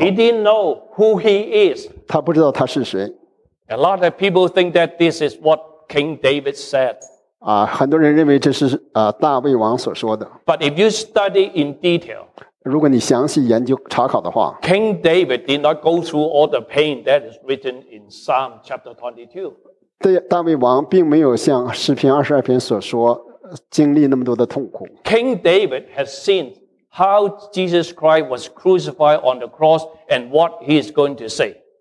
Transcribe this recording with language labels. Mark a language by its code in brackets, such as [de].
[en] ，He didn't know who he is. [zh] 他不知道他是谁。 [en] A lot of people think that this is what King David said. [zh] 很多人认为这是大卫王所说的。 [en] But if you study in detail, [zh] 如果你详细研究查考的话 [en] ，King David did not go through all the pain that is written in Psalm chapter 22. [zh] 对，大卫王并没有像诗篇二十二篇所说。经历那么多的痛苦。 [en] King David has seen how Jesus Christ was crucified on the cross and what he is going to say.